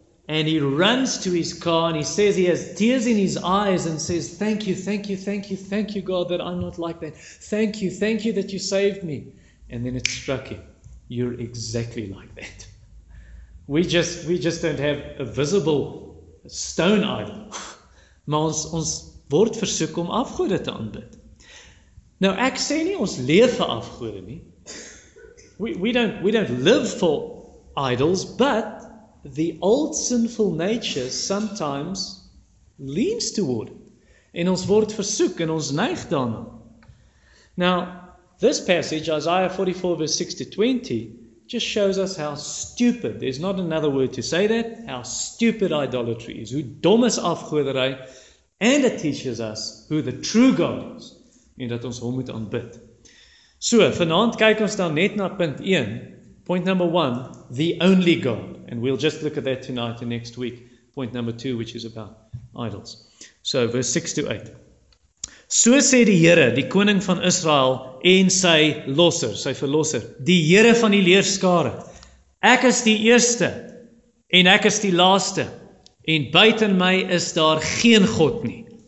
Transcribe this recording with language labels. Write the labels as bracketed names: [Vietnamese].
[English] And he runs to his car and he says he has tears in his eyes and says, thank you, thank you, thank you, thank you, God, that I'm not like that. Thank you that you saved me. And then it struck him. You're exactly like that. We just don't have a visible stone idol. [Afrikaans] Maar ons word versoek om afgode te aanbid. Nou ek sê nie ons leef vir afgode nie. [English] We don't live for idols, but the old sinful nature sometimes leans toward it. [Afrikaans] En ons word versoek en ons neig daarna. [English] Now, this passage, Isaiah 44 verse 6 to 20, just shows us how stupid, there's not another word to say that, how stupid idolatry is. [Afrikaans] Hoe dom is afgoderij, [English] and it teaches us who the true God is, [Afrikaans] en dat ons hom moet aanbid. So, vanavond kyk ons dan net na punt 1, [English] point number 1, the only God. And we'll just look at that tonight and next week, point number 2, which is about idols. So, verse 6 to 8. [Afrikaans] So sê die Here, die koning van Israel, en sy verlosser, die Here van die leerskare, ek is die eerste, en ek is die laaste, en buiten my is daar geen God nie.